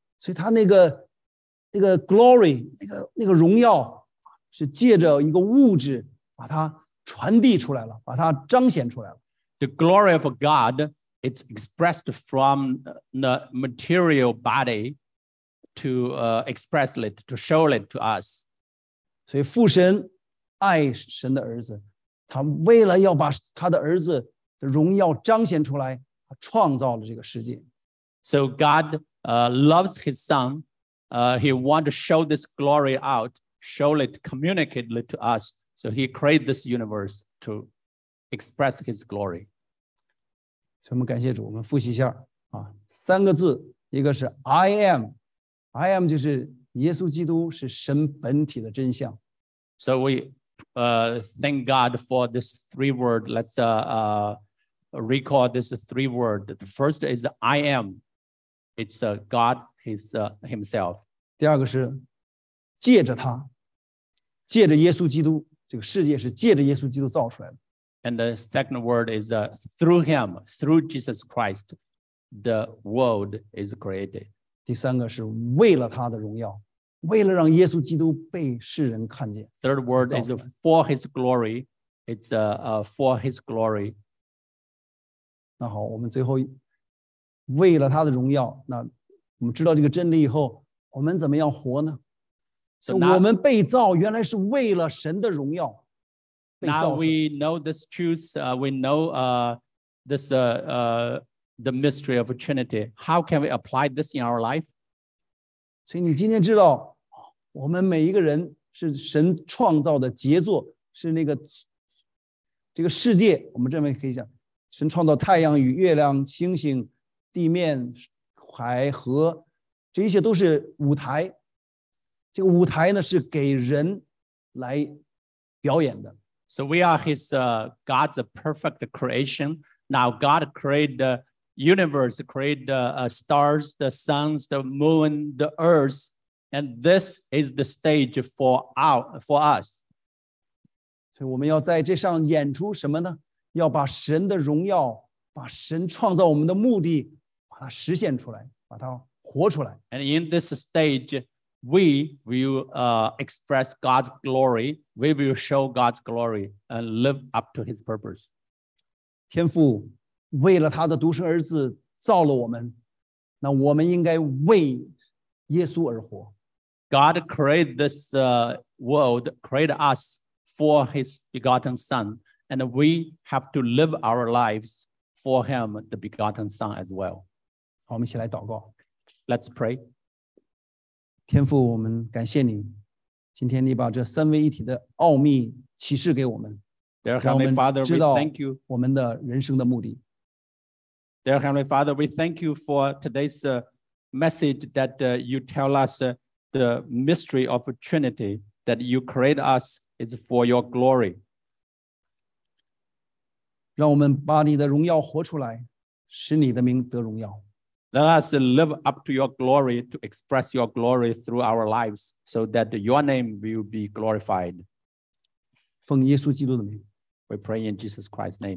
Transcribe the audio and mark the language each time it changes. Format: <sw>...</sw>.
<zh>所以他那个 glory, 那个荣耀是借着一个物质把它传递出来了，把它彰显出来了。</zh> <en>The glory of God is expressed from the material body. To express it, to show it to us.</en> <zh>所以父神爱神的儿子，他为了要把他的儿子的荣耀彰显出来，他创造了这个世界。</zh> <en>So God loves his son. He wants to show this glory out, show it, communicate it to us. So he created this universe to express his glory.</en> <zh>所以我们感谢主，我们复习一下啊，三个字，一个是 I am。 I am 就是耶稣基督是神本体的真相。</zh> <en>So we thank God for this three word. Let's recall this three word. The first is I am. It's God his, himself.</en> <zh>第二个是借着他，借着耶稣基督，这个世界是借着耶稣基督造出来的。</zh> <en>And the second word is through him, through Jesus Christ, the world is created.</en> <zh>第三个是为了他的荣耀，为了让耶稣基督被世人看见。</zh> <en>Third word is for his glory. It's for his glory.</en> <zh>那好，我们最后为了他的荣耀，那我们知道这个真理以后，我们怎么样活呢？所以我们被造原来是为了神的荣耀。</zh> <en>Now we know this truth. We know this. The mystery of Trinity. How can we apply this in our life?</en> <zh>所以你今天知道，我们每一个人是神创造的杰作，是那个这个世界。我们这边可以讲，神创造太阳与月亮、星星、地面、海河，这一切都是舞台。这个舞台呢，是给人来表演的。</zh> <en>So we are His God's perfect creation. Now God created the universe, create the stars, the suns, the moon, the earth, and this is the stage for us.</en> <zh>所以我们要在这上演出什么呢？要把神的荣耀，把神创造我们的目的，把它实现出来，把它活出来。</zh> <en>And in this stage, we will express God's glory. We will show God's glory and live up to His purpose.</en> <zh>天父。为了他的独生儿子造了我们，那我们应该为耶稣而活。</zh> <en>God created this world, created us for His begotten Son, and we have to live our lives for Him, the begotten Son as well.</en> <zh>好，我们一起来祷告。</zh> <en>Let's pray.</en> <zh>天父，我们感谢你，今天你把这三位一体的奥秘启示给我们，让我们知道我们的人生的目的。</zh> <en>Dear Heavenly Father, we thank you for today's message that you tell us the mystery of Trinity, that you create us is for your glory.</en> <zh>让我们把你的荣耀活出来，使你的名得荣耀。</zh> <en>Let us live up to your glory, to express your glory through our lives, so that your name will be glorified.</en> <zh>奉耶稣基督的名。</zh> <en>We pray in Jesus Christ's name.</en>